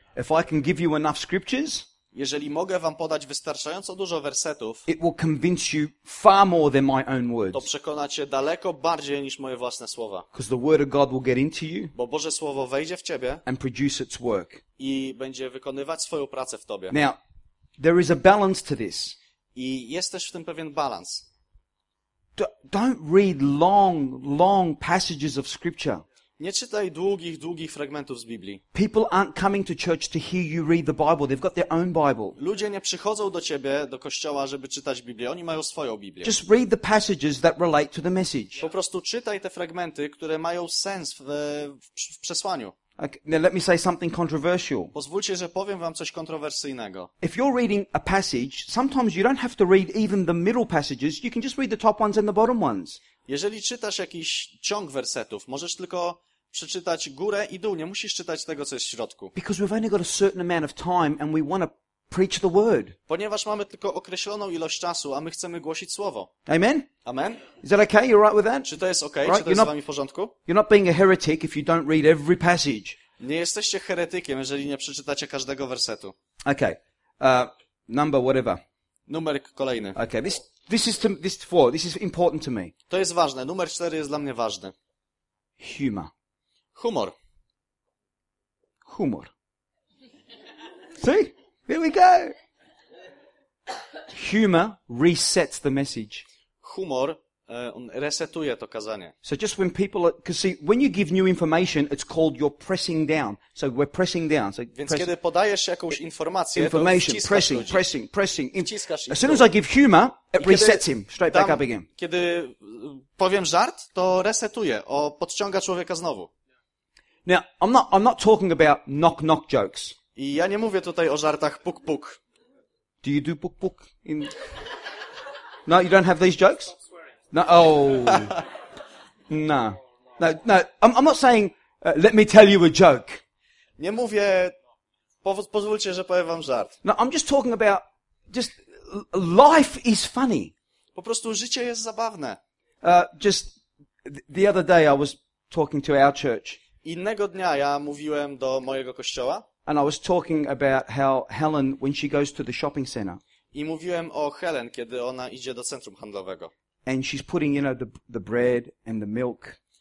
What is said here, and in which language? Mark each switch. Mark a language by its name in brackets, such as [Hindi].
[English] If I can give you enough scriptures, [Polish] jeżeli mogę wam podać wystarczająco dużo wersetów, [English] it will convince you far more than my own words. [Polish] To przekona cię daleko bardziej niż moje własne słowa. [English] Because the word of God will get into you, [Polish] bo Boże słowo wejdzie w ciebie, [English] and produce its work. [Polish] I będzie wykonywać swoją pracę w tobie. [English] Now, there is a balance to this. [Polish] I jest też w tym pewien balans. [English] Don't read long passages of scripture. [Polish] Nie czytaj długich fragmentów z Biblii. [English] People aren't coming to church to hear you read the Bible. They've got their own Bible. [Polish] Ludzie nie przychodzą do ciebie, do kościoła, żeby czytać Biblię. Oni mają swoją Biblię. [English] Just read the passages that relate to the message. [Polish] Po prostu czytaj te fragmenty, które mają sens w przesłaniu. [English] Okay, now let me say something controversial. [Polish] Pozwólcie, że powiem wam coś kontrowersyjnego. [English] If you're reading a passage, sometimes you don't have to read even the middle passages. You can just read the top ones and the bottom ones. [Polish] Jeżeli czytasz jakiś ciąg wersetów, możesz tylko przeczytać górę i dół, nie musisz czytać tego, co jest w środku. [English] Because we've only got a certain amount of time and we want to preach the word. [Polish] Ponieważ mamy tylko określoną ilość czasu, a my chcemy głosić słowo. [English] Amen. [Polish] Amen. [English] Is that okay? You're right with that? [Polish] Czy to jest okay? [English] Right? [Polish] Czy to jest z wami w porządku? [English] You're not being a heretic if you don't read every passage. [Polish] Nie jesteście heretykiem, jeżeli nie przeczytacie każdego wersetu. [English] Okay. Number whatever. [Polish] Numer kolejny. [English] Okay. This is four. This is important to me. [Polish] To jest ważne. Numer 4 jest dla mnie ważny. [English] Humor. [Polish] Humor. [English] Humor. See? Here we go. Humor resets the message. [Polish] Humor resetuje to kazanie. [English] So just when people are, because see, when you give new information, it's called you're pressing down. So we're pressing down. So [Polish] więc kiedy podajesz jakąś informację, [English] information, [Polish] to [English] pressing, [Polish] ludzi. [English] pressing. [Polish] Wciskasz [English] as soon as I give humor, it resets him straight back up again. [Polish] Kiedy powiem żart, to resetuje, podciąga człowieka znowu. [English] Now I'm not talking about knock knock jokes. [Polish] I ja nie mówię tutaj o żartach puk puk. [English] Do you do puk puk in? No, you don't have these jokes? No, oh. No. No, no, I'm not saying let me tell you a joke. [Polish] Nie mówię, pozwólcie, że powiem wam żart. [English] No, I'm just talking about just life is funny. [Polish] Po prostu życie jest zabawne. [English] Just the other day I was talking to our church. [Polish] Innego dnia ja mówiłem do mojego kościoła. [English] And I was talking about how Helen, when she goes to the shopping center. [Polish] I mówiłem o Helen, kiedy ona idzie do centrum handlowego. [English] And she's putting, you know, the bread and the milk.